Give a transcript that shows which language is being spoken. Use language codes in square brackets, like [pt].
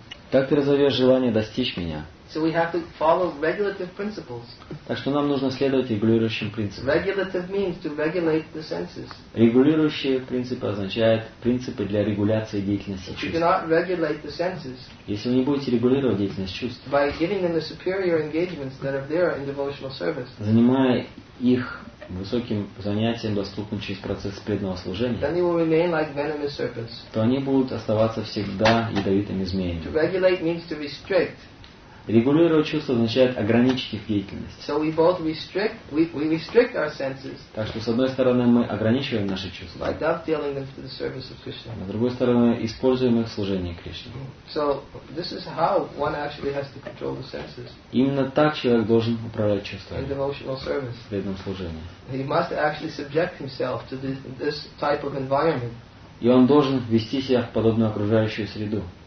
[ru] Так ты разовьешь желание достичь меня. [en] So we have to follow regulative principles. [ru] Так что нам нужно следовать регулирующим принципам. [en] Regulative means to regulate the senses. [ru] Регулирующие принципы означают принципы для регуляции деятельности чувств. [en] If you cannot regulate the senses, [ru] если вы не будете регулировать деятельность чувств, [en] by giving them the superior engagements that are there in devotional service, [ru] занимая их высоким занятием, доступным через процесс преданного служения, [en] then they will remain like venomous serpents. [ru] То они будут оставаться всегда ядовитыми змеями. [en] To regulate means to restrict. [ru] Регулировать чувства означает ограничить их деятельность. [en] So we both restrict, we restrict our senses. [ru] Так что, с одной стороны, мы ограничиваем наши чувства. [en] By dovetailing them to the service of Krishna. [ru] А с другой стороны, используем их в служении Кришне. [en] So this is how one actually has to control the senses. [ru] Именно так человек должен управлять чувствами. [en] In devotional service. [ru] В преданном служении. [en] He must actually subject himself to this type of environment. [ru] И он должен вести себя в подобную окружающую среду.